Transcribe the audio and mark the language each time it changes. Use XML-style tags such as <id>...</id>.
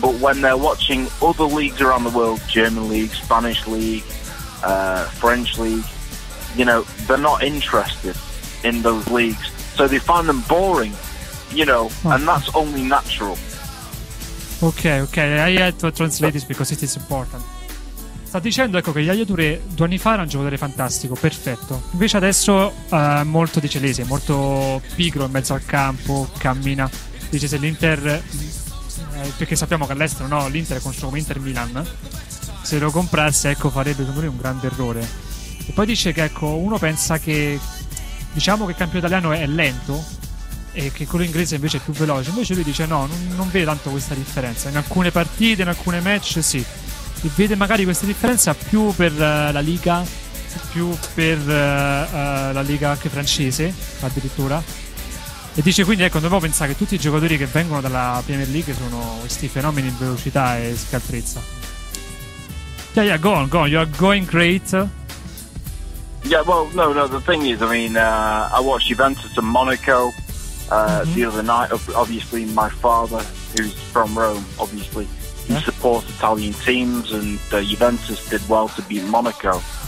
<en>but when they're watching other leagues around the world, German league, Spanish league, French league, you know, they're not interested in those leagues. So they find them boring, you know, and that's only natural. Okay, I had to translate this because it is important.</en> <it>Sta dicendo, ecco, che Yaya Touré 2 anni fa era un giocatore fantastico, perfetto. Invece adesso è molto dicelese, molto pigro in mezzo al campo, cammina. Dice, se l'Inter, perché sappiamo che all'estero, no, l'Inter è conosciuto come Inter Milan, se lo comprasse, ecco, farebbe secondo me un grande errore. E poi dice che, ecco, uno pensa che, diciamo, che il campionato italiano è lento, e che quello inglese invece è più veloce. Invece lui dice no, non vede tanto questa differenza. In alcune partite, in alcune match sì, e vede magari questa differenza più per la Liga, più per la Liga anche francese addirittura. E dice quindi, ecco, dobbiamo pensare che tutti i giocatori che vengono dalla Premier League sono questi fenomeni in velocità e scaltrezza.</it> <en>Yeah, yeah, go on, go on, you are going great. Yeah, well, no, the thing is, I mean, I watched Juventus and Monaco the other night. Obviously, my father, who's from Rome, obviously, he supports Italian teams, and Juventus did well to beat Monaco.</en>